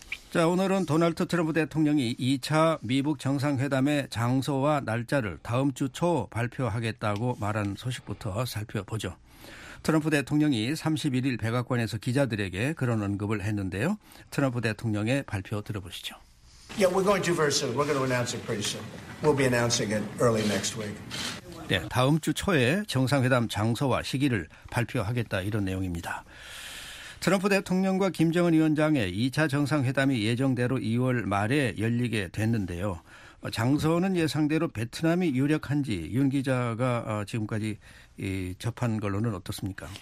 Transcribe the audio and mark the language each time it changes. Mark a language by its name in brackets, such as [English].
[Korean] 자, 오늘은 도널드 트럼프 대통령이 2차 미북 정상회담의 장소와 날짜를 다음 주 초 발표하겠다고 말한 소식부터 살펴보죠. 트럼프 대통령이 31일 백악관에서 기자들에게 그런 언급을 했는데요. 트럼프 대통령의 발표 들어보시죠. [English] Yeah, we're going to very soon. We're going to announce it pretty soon. We'll be announcing it early next week. [Korean] 네, 다음 주 초에 정상회담 장소와 시기를 발표하겠다 이런 내용입니다. 트럼프 대통령과 김정은 위원장의 2차 정상회담이 예정대로 2월 말에 열리게 됐는데요. 장소는 예상대로 베트남이 유력한지 윤 기자가 지금까지 접한 걸로는 어떻습니까?